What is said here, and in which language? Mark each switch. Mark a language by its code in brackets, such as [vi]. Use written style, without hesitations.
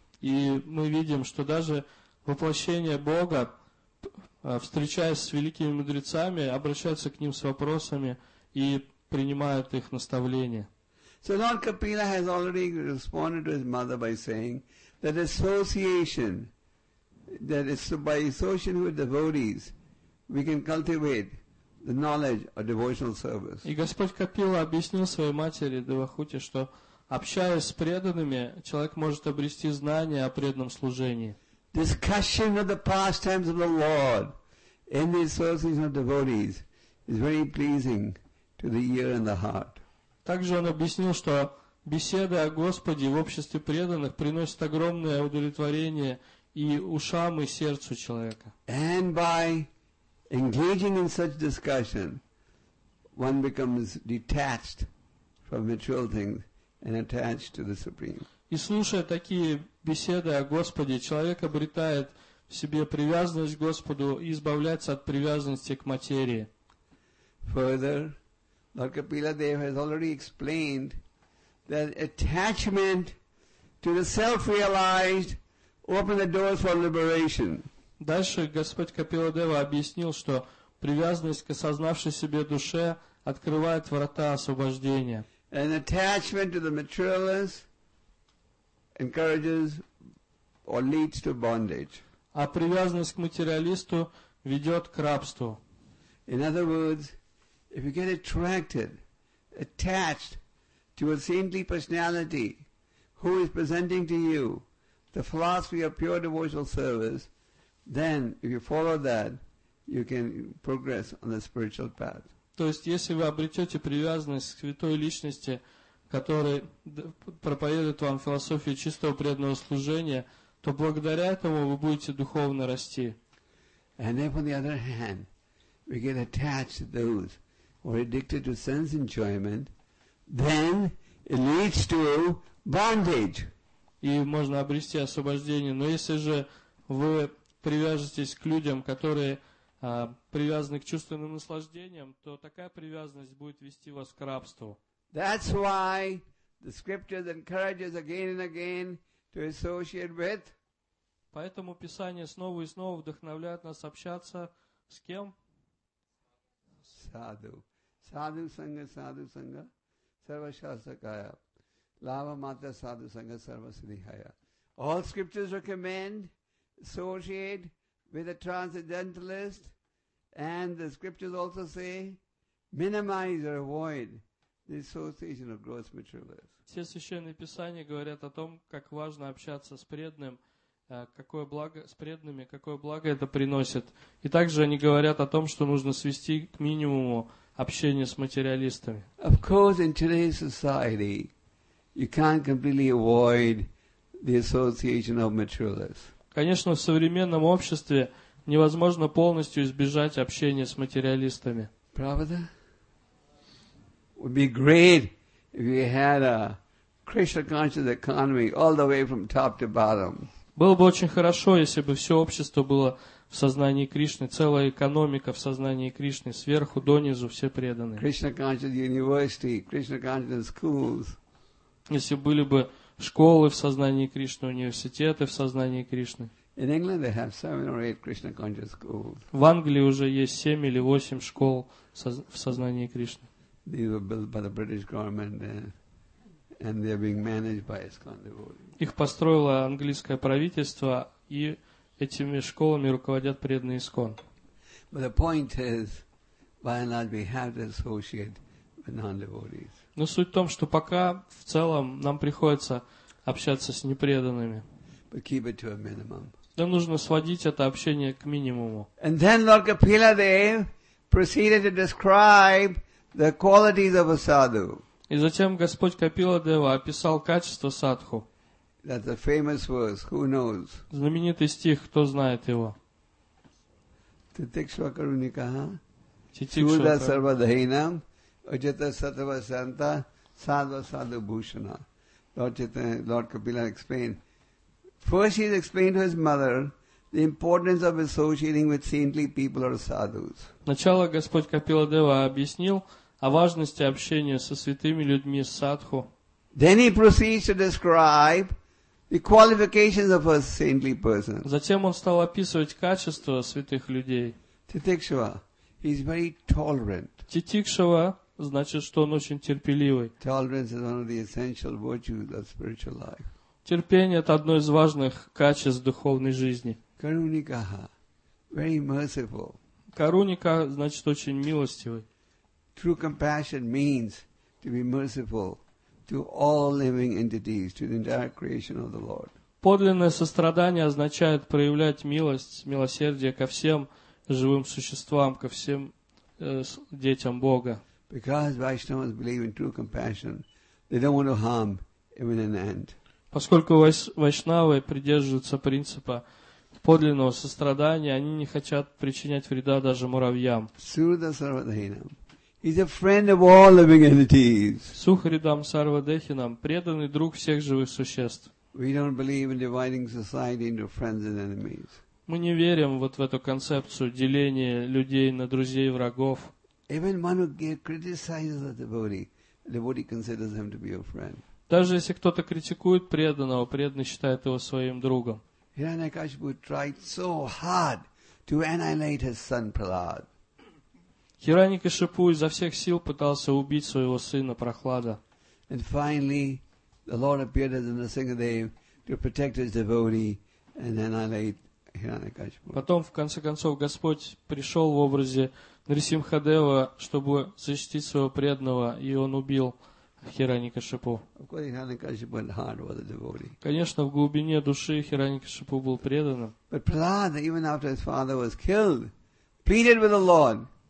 [ru] И мы видим, что даже воплощение Бога, встречаясь с великими мудрецами, обращаются к ним с вопросами и принимают их наставления. [en] So Lord Kapila has already responded to his mother by saying that association, that is by association with devotees, we can cultivate the knowledge of devotional service. [ru] И Господь Капила объяснил своей матери Девахути, что общаясь с преданными, человек может обрести знания о преданном служении. [en] Discussion of the pastimes of the Lord in the association of devotees is very pleasing to the ear and the heart. [ru] Также он объяснил, что беседы о Господе в обществе преданных приносят огромное удовлетворение и ушам, и сердцу человека. [en] And by engaging in such discussion, one becomes detached from material things and attached to the Supreme. [ru] И слушая такие беседы о Господе, человек обретает в себе привязанность к Господу и избавляется от привязанности к материи. [en] Further, Lord Kapila Dev has already explained that attachment to the self-realized opens the doors for liberation. [ru] Дальше Господь Капила Дева объяснил, что привязанность к осознавшей себе душе открывает врата освобождения. [en] An attachment to the materialist encourages or leads to bondage. [ru] А привязанность к материалисту ведет к рабству. [en] In other words, if you get attracted, attached to a saintly personality who is presenting to you the philosophy of pure devotional service, then if you follow that, you can progress on the spiritual path. [ru] То есть, если вы обретете привязанность к святой личности, который проповедует вам философию чистого преданного служения, то благодаря этому вы будете духовно расти. [en] And if, on the other hand, we get attached to those who are addicted to sense enjoyment, then it leads to bondage. [ru] И можно обрести освобождение. Но если же вы привяжетесь к людям, которые привязаны к чувственным наслаждениям, то такая привязанность будет вести вас к рабству. [en] That's why the scriptures encourages again and again to associate with. [ru] Поэтому Писание снова и снова вдохновляет нас общаться с кем? [sa] Саду. Саду санга, саду санга, сарва шастакая. Лава матра саду санга, сарва сидихая. [en] All scriptures recommend associate with a transcendentalist, and the scriptures also say minimize or avoid the association of gross materialists. [ru] Все священные писания говорят о том, как важно общаться с преданным, какое благо с преданными, какое благо это приносит. И также они говорят о том, что нужно свести к минимуму общение с материалистами. [en] Of course, in today's society, you can't completely avoid the association of materialists. [ru] Конечно, в современном обществе невозможно полностью избежать общения с материалистами. Правда? [en] Would be great we had a Krishna conscious economy all the way from top to bottom. [ru] Было бы очень хорошо, если бы все общество было в сознании Кришны, целая экономика в сознании Кришны, сверху донизу все преданы. [en] Krishna conscious university, Krishna conscious schools. [ru] Если были бы школы в сознании Кришны, университеты в сознании Кришны. [en] In England they have 7 or 8 Krishna conscious schools. [ru] В Англии уже есть 7 или 8 школ в сознании Кришны. [en] These were built by the British government and they are being managed by ISKCON devotees. [ru] Их построило английское правительство, и этими школами руководят преданные ИСКОН. Но суть в том, что пока в целом нам приходится общаться с непреданными. [en] But keep it to a minimum. [ru] Но нужно сводить это общение к минимуму. [en] And then Lord Kapila Dev proceeded to describe the qualities of a sadhu. [ru] И затем Господь Капила Дева описал качество садху. [en] That's a famous verse. Who knows? [ru] Знаменитый стих. Кто знает его? [sa] Титикшва каруника, ха? Титикшва. Чуда сарвадхайнам, ачита сатва санта, садва садва бушана. [en] Lord Kapila explained. First, he explained to his mother the importance of associating with saintly people or sadhus. [ru] Сначала Господь Капила Дева объяснил о важности общения со святыми людьми, садху. [en] Then he proceeds to describe the qualifications of a saintly person. [ru] Затем он стал описывать качества святых людей. [en] Титикшва, he is very tolerant. [ru] Титикшва значит, что он очень терпеливый. [en] Tolerance is one of the essential virtues of spiritual life. [ru] Терпение это одно из важных качеств духовной жизни. [en] Каруникаха, very merciful. [ru] Каруника значит очень милостивый. [en] True compassion means to be merciful to all living entities, to the entire creation of the Lord. [ru] Подлинное сострадание означает проявлять милость, милосердие ко всем живым существам, ко всем детям Бога. [en] Because Vaishnavas believe in true compassion, they don't want to harm even an ant. [ru] Поскольку вайшнавы придерживаются принципа подлинного сострадания, они не хотят причинять вреда даже муравьям. [sa] Suda Sarvadhinam. [en] He's a friend of all living entities. [sa] Сухаридам Сарвадехинам, [ru] преданный друг всех живых существ. [en] We don't believe in dividing society into friends and enemies. [ru] Мы не верим вот в эту концепцию деления людей на друзей и врагов. [en] Even one who criticizes a devotee, devotee considers him to be a friend. [ru] Даже если кто-то критикует преданного, преданный считает его своим другом. [en] Hiranyakashipu tried so hard to annihilate his son Prahlad. [ru] Хираньякашипу изо всех сил пытался убить своего сына Прохлада. [en] And finally, the Lord appeared as Narasingadev to protect his devotee and annihilate Hiranyakashipu. [ru] Потом, в конце концов, Господь пришел в образе Нарисимхадева, чтобы защитить своего преданного, и он убил Хираньякашипу. [en] Of course, Hiranyakashipu had heart for the devotee. [ru] Конечно, в глубине души Хиранькашипу был преданным. [en] But Prahlad, even after his father was killed, pleaded with the Lord.